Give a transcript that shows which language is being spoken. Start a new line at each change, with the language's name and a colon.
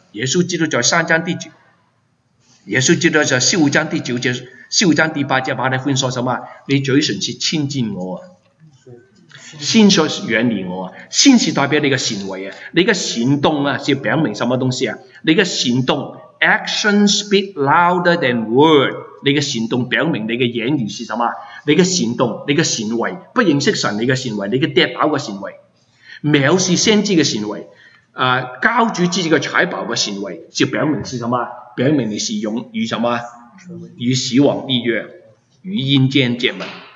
Chinese: 耶稣基督在三章第九，耶稣基督在十五章第九节、十五章第八节马太福音说什么？你嘴唇是亲近我啊，心是远离我啊。心是代表你的行为啊，你的行动啊是表明什么东西啊？你的行动
English: action speak louder than word。
Chinese: 你的行动表明你的言语是什么？你的行动、你的行为，不认识神你的行为，你的跌倒的行为，藐视先知的行为，交主自己的财宝的行为，就表明是什么？表明你是勇于什么？与死亡立约，与阴间结盟。